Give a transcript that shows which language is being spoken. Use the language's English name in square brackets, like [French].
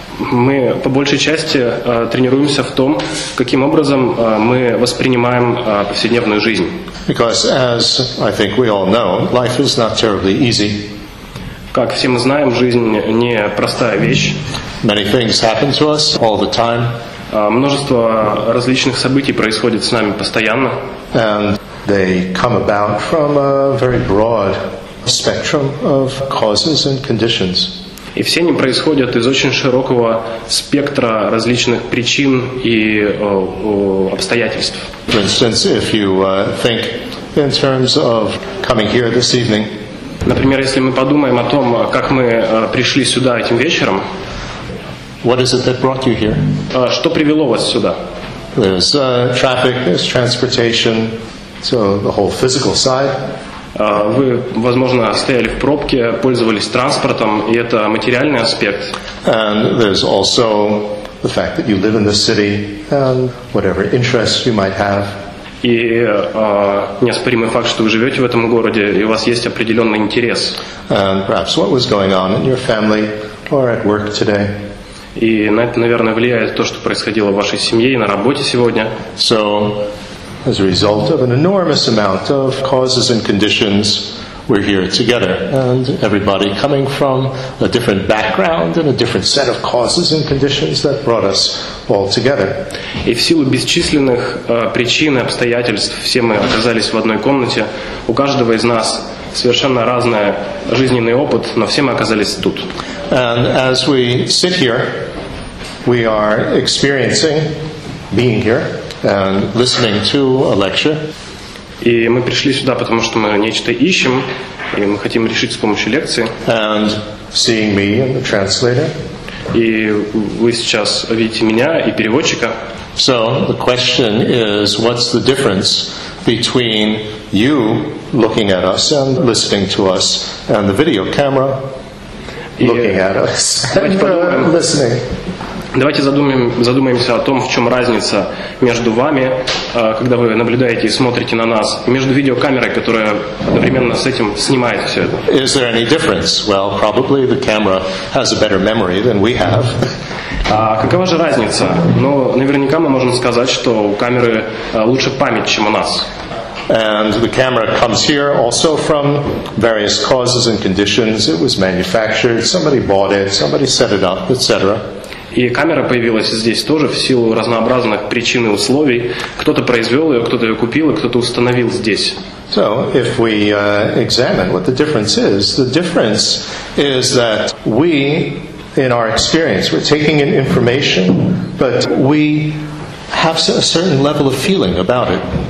[Russian] Мы по большей части тренируемся в том, каким образом мы воспринимаем повседневную жизнь. [English] Because, as I think we all know, life is not terribly easy. [Russian] Как все мы знаем, жизнь не простая вещь. [English] Many things happen to us all the time. [Russian] Множество различных событий происходит с нами постоянно. [English] And they come about from a very broad spectrum of causes and conditions. [Russian] И все они происходят из очень широкого спектра различных причин и обстоятельств. [English] For instance, if you think in terms of coming here this evening. [Russian] Например, если мы подумаем о том, как мы пришли сюда этим вечером. [English] What is it that brought you here? [Russian] Что привело вас сюда? [English] There's traffic, there's transportation, so the whole physical side. [Russian] Вы, возможно, стояли в пробке, пользовались транспортом, и это материальный аспект. [English] And there's also the fact that you live in the city and whatever interests you might have. [Russian] И неоспоримый факт, что вы живете в этом городе, и у вас есть определенный интерес. [English] And perhaps what was going on in your family or at work today. [Russian] И на это, наверное, влияет то, что происходило в вашей семье и на работе сегодня. [English] So, as a result of an enormous amount of causes and conditions, we're here together. And everybody coming from a different background and a different set of causes and conditions that brought us all together. [Russian] И в силу бесчисленных причин и обстоятельств все мы оказались в одной комнате. У каждого из нас совершенно разный жизненный опыт, но все мы оказались тут. [English] And as we sit here, we are experiencing being here and listening to a lecture. [Russian] И мы пришли сюда, потому что мы нечто ищем, и мы хотим решить с помощью лекции. [English] And seeing me and the translator. [Russian] И вы сейчас видите меня и переводчика. [English] So the question is, what's the difference between you looking at us and listening to us and the video camera looking at us and listening? [Russian] Давайте задумаемся о том, в чем разница между вами, когда вы наблюдаете и смотрите на нас, между видеокамерой, которая одновременно с этим снимает все это. [English] Is there any difference? Well, probably the camera has a better memory than we have. [Russian] Какова же разница? Ну, наверняка мы можем сказать, что у камеры лучше память, чем у нас. [English] And the camera comes here also from various causes and conditions. It was manufactured, somebody bought it, somebody set it up, etc. [Russian] И камера появилась здесь тоже в силу разнообразных причин и условий. Кто-то произвел ее, кто-то ее купил, и кто-то установил здесь. [English] So, if we examine what the difference is that we, in our experience, we're taking in information, but we have a certain level of feeling about it.